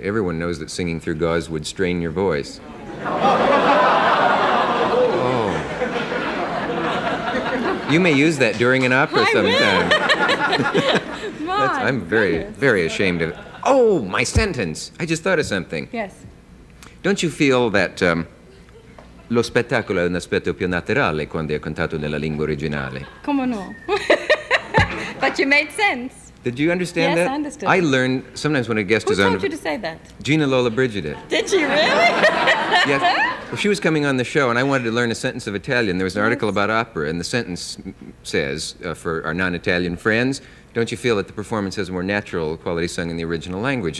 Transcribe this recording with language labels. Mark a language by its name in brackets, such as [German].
[English] Everyone knows that singing through gauze would strain your voice. Oh. You may use that during an opera sometime. I'm very, very ashamed of it. Oh, my sentence. I just thought of something. Yes. [Italian] Don't you feel that lo spettacolo è un aspetto più naturale quando è cantato nella lingua originale? [English] Come no? But you made sense. Did you understand yes, Yes, I understood. I learned sometimes when a guest Who is on... Who told you to say that? Gina Lola Brigida. Did she really? Yes. Well, she was coming on the show, and I wanted to learn a sentence of Italian. There was an article about opera, and the sentence says, for our non-Italian friends, "Don't you feel that the performance has a more natural quality sung in the original language?"